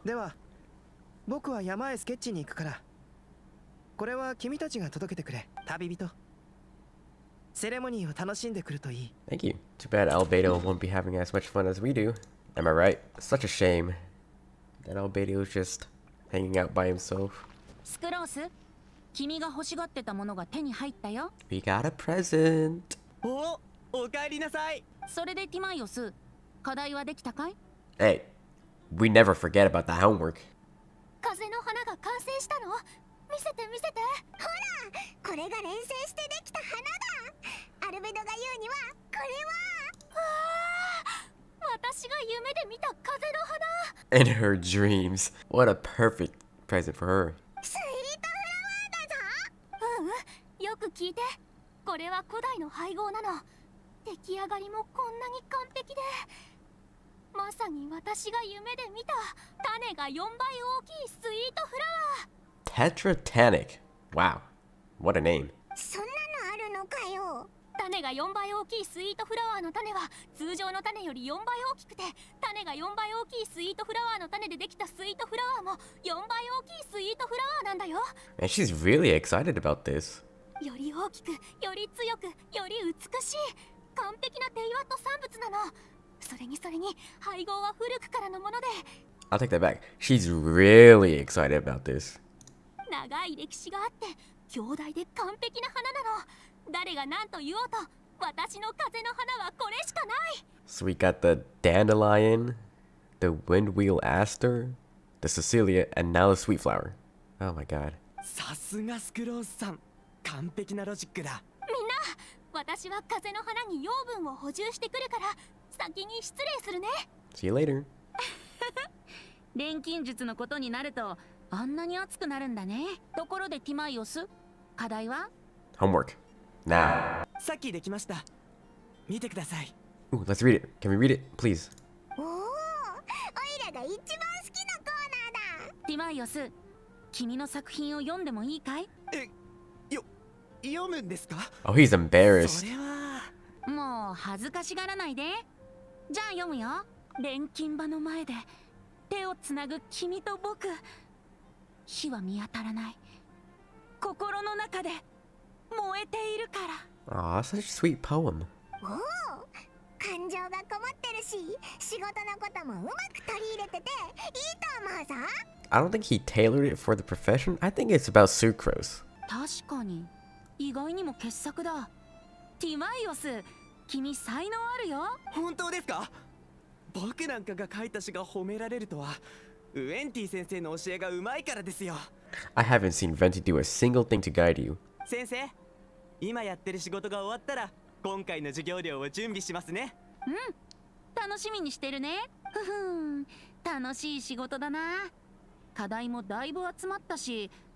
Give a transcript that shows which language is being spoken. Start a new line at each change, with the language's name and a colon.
Japanese: では、僕は山へスケッチに行くから。これは君たちが届けてくれ、旅人。セレモニーを楽しんでくるといい。
English: Thank you. Too bad Albedo won't be having as much fun as we do. Am I right? Such a shame that Albedo is just hanging out by himself.
Japanese: スクロース、君が欲しがってたものが手に入ったよ。
English: We got a present.
Japanese: お、おかえりなさい。それでティマイオス、課題はできたかい？
English: Hey, we never forget about the homework.
Japanese: 風の花が完成したの？見せて見せて。ほら、これが錬成してできた花だ。アルベドが言うにはこれは。わあ、私が夢で見た風の花。
English: In her dreams, what a perfect present for her.
Japanese: スイートフラワーだぞ。うん、よく聞いて。これは古代の配合なの。出来上がりもこんなに完璧で、まさに私が夢で見た種が4倍大きいスイートフラワー。
English: Tetratanic. Wow. What a name.
Japanese: そんなのあるのかよ。種が4倍大きいスイートフラワーの種は通常の種より4倍大きくて、種が4倍大きいスイートフラワーの種でできたスイートフラワーも4倍大きいスイートフラワーなんだよ。
English: And she's really excited about this.
Japanese: より大きく、より強く、より美しい、完璧なテイワット産物なの。それにそれに配合は古くからのもので。
English: I'll take that back. She's really excited about this.
Japanese: 長い歴史があって、兄弟で完璧な花なの。誰が何と言おうと、私の風の花はこれしかない。
English: So we got the dandelion, the windwheel aster, the Cecilia, and now the sweet flower. Oh my god.
Japanese: さすがスクロースさん、完璧なロジックだ。みんな、私は風の花に養分を補充してくるから、先に失礼するね。
English: See you later.
Japanese: 錬金術のことになると、あんなに熱くなるんだね。ところでティマイオス、課題は
English: Homework. Now.
Japanese: さっきできました。見てください。
English: Ooh, let's read it. Can we read it, please?
Japanese: おー、オイラが一番好きなコーナーだ。ティマイオス、君の作品を読んでもいいかい？え、よ、読むんですか？
English: Oh, he's embarrassed.
Japanese: それは… もう恥ずかしがらないで。じゃあ読むよ。錬金場の前で手をつなぐ君と僕。火は見当たらない。心の中で燃えているから。
English: ああ、such sweet poem。
Japanese: おお、感情がこもってるし、仕事のこともうまく取り入れてていいと思うぞ。
English: I don't think he tailored it for the profession. I think it's about sucrose.
Japanese: 確かに、意外にも傑作だ。ティマイオス、君才能あるよ。本当ですか？僕なんかが書いた詩が褒められるとは。ウェンティ先生の教えがうまいからですよ。
English: I haven't seen Venti do a single thing to guide you.
Japanese: 先生、今やってる仕事が終わったら、今回の授業料を準備しますね。うん、楽しみにしてるね。ふふん、楽しい仕事だな。課題もだいぶ集まったし。